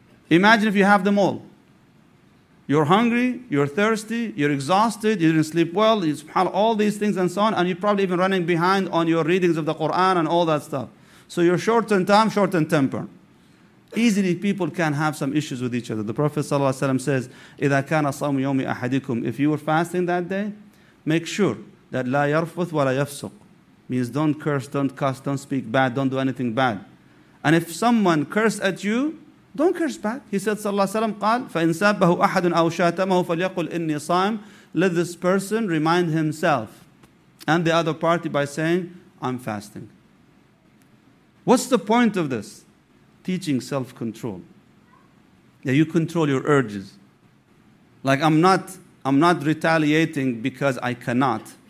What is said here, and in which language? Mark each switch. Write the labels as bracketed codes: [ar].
[en] Imagine if you have them all. You're hungry, you're thirsty, you're exhausted, you didn't sleep well, subhanAllah, all these things and so on, and you're probably even running behind on your readings of the Quran and all that stuff. So you're short in time, short in temper. Easily people can have some issues with each other. The Prophet ﷺ says, [ar] إِذَا كَانَ صَوْمِ يَوْمِ أَحَدِكُمْ. [en] If you were fasting that day, make sure that [ar] لا يرفث ولا يفسق, [en] means don't curse, don't cuss, don't speak bad, don't do anything bad. And if someone curses at you, don't curse back. He said, [ar] صلى الله عليه وسلم, قال فإن سابه أحد أو شاتمه فليقل إني صائم. [en] Let this person remind himself and the other party by saying, I'm fasting. What's the point of this? Teaching self-control. Yeah, you control your urges. Like I'm not retaliating because I cannot.